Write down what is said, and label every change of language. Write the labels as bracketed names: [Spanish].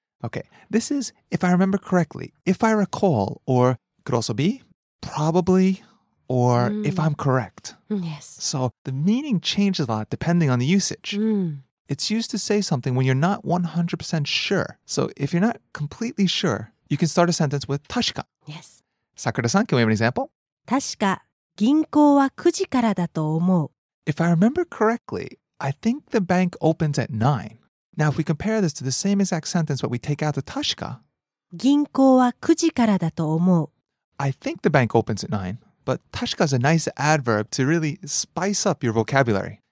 [English] Okay, this is, if I remember correctly, if I recall, or could also be, probably... Or if I'm correct. Yes. So the meaning changes a lot depending on the usage. It's used to say something when you're not 100% sure. So if you're not completely sure, you can start a sentence with 確か. Yes. Sakura-san, can we have an example? [Japanese] 確か、銀行は9時からだと思う。 [English] If I remember correctly, I think the bank opens at 9. Now if we compare this to the same exact sentence, but we take out the 確か. [Japanese] 銀行は9時からだと思う。 [English] I think the bank opens at 9. But 確か is a nice adverb to really spice up your vocabulary.